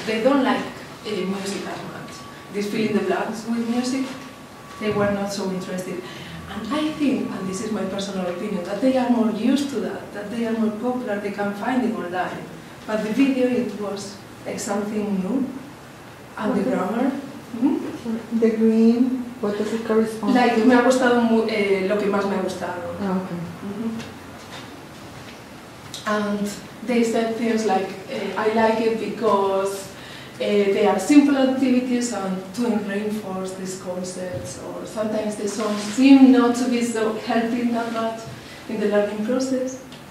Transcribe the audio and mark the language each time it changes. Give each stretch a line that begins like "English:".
English: They don't like music as much. This fill in the blanks with music, they were not so interested. And I think, and this is my personal opinion, that they are more used to that they are more popular, they can find it online. But the video, it was like something new. And the grammar. The green, what does it correspond like, to? Like,
Spanish: me ha gustado, lo que más me ha gustado.
English: Okay. Mm-hmm. And they said things like, I like it because they are simple activities and to reinforce these concepts, or sometimes the songs seem not to be so helping that much in the learning process.